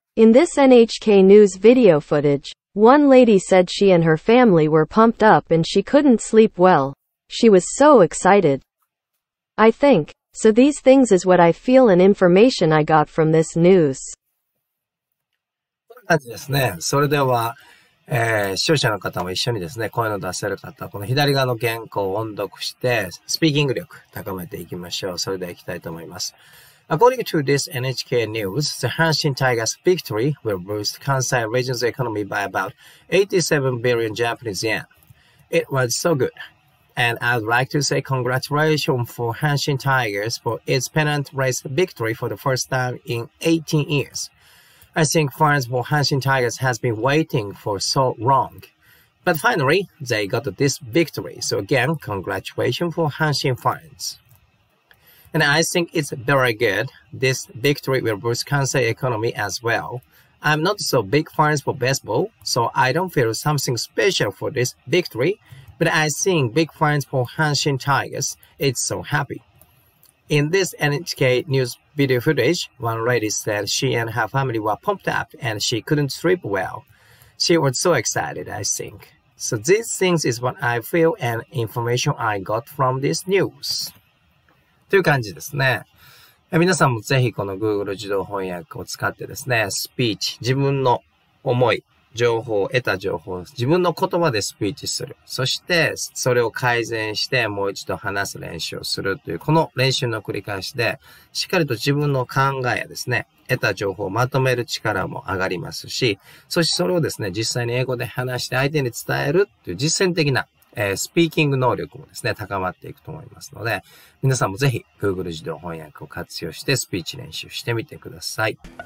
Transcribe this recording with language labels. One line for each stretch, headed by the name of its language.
English: In this NHK news video footage, one lady said she and her family were pumped up and she couldn't sleep well. She was so excited. I think, so these things is what I feel and information I got from this news.
Japanese: こんな感じですね。それでは、視聴者の方も一緒にですね、声の出せる方、この左側の原稿を音読して、スピーキング力高めていきましょう。それでは行きたいと思います。
English: According to this NHK news, the Hanshin Tigers' victory will boost Kansai region's economy by about 87 billion Japanese yen. It was so good. And I'd like to say congratulations for Hanshin Tigers for its pennant race victory for the first time in 18 years. I think fans for Hanshin Tigers has been waiting for so long. But finally, they got this victory. So again, congratulations for Hanshin fans. And I think it's very good. This victory will boost Kansai economy as well. I'm not so big fans for baseball, so I don't feel something special for this victory. But I think big fans for Hanshin Tigers, it's so happy. In this NHK news video footage, one lady said she and her family were pumped up and she couldn't sleep well. She was so excited, I think. So these things is what I feel and information I got from this news.
Japanese: という感じですね。皆さんもぜひこの Google 自動翻訳を使ってですね、スピーチ、自分の思い、情報、得た情報、自分の言葉でスピーチする。そして、それを改善して、もう一度話す練習をするという、この練習の繰り返しで、しっかりと自分の考えやですね、得た情報をまとめる力も上がりますし、そしてそれをですね、実際に英語で話して相手に伝えるという実践的な、スピーキング能力もですね、高まっていくと思いますので、皆さんもぜひ、Google 自動翻訳を活用して、スピーチ練習してみてください。